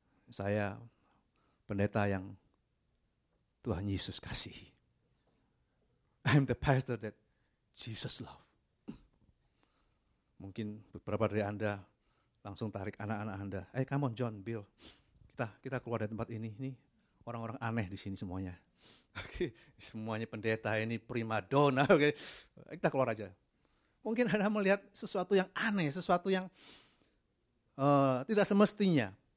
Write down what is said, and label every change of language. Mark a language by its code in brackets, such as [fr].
[id] Saya pendeta yang Tuhan Yesus kasihi. [en] I'm the pastor that Jesus love. [id] Mungkin beberapa dari Anda langsung tarik anak-anak Anda. [en] Hey, come on [id] John, Bill. Kita keluar dari tempat ini. Ini orang-orang aneh di sini semuanya. Okay. Semuanya pendeta ini prima donna. Okay. Kita keluar aja. Mungkin Anda melihat sesuatu yang aneh, sesuatu yang tidak semestinya.